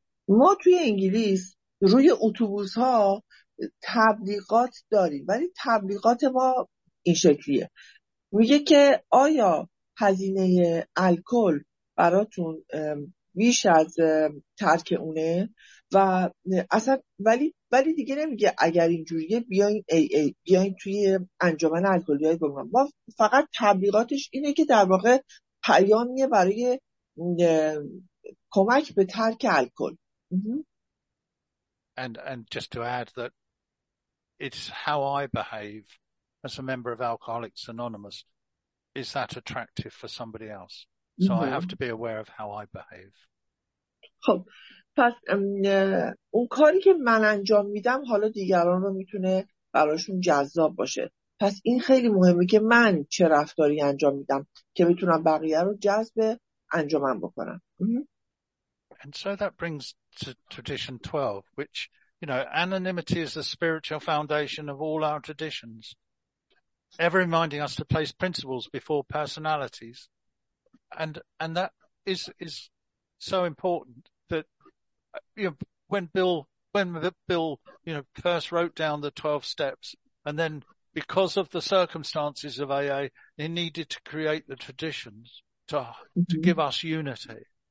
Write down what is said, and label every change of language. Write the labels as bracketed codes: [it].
[fa] ما توی انگلیس روی اتوبوس ها تبلیغات داریم، ولی تبلیغات ما این شکلیه، میگه که آیا هزینه الکل براتون بیش از ترک اونه و اصلا، ولی دیگه نمیگه اگر اینجوریه بیاین توی انجمن الکلی های بمونم. ما فقط تبلیغاتش اینه که در واقع پیامیه برای کمک به ترک الکل. [en] And just to add that it's how I behave as a member of Alcoholics Anonymous. Is that attractive for somebody else? So I have to be aware of how I behave. [fa] خب پس اون کاری که من انجام میدم حالا دیگران رو میتونه براشون جذاب باشه. پس این خیلی مهمه که من چه رفتاری انجام میدم که بتونم بقیه رو جذب انجامم بکنم. [en] And so that brings to tradition 12, which, you know, anonymity is the spiritual foundation of all our traditions, ever reminding us to place principles before personalities. And that is so important that, you know, when Bill, you know, first wrote down the 12 steps, and then because of the circumstances of AA, he needed to create the traditions to give us unity.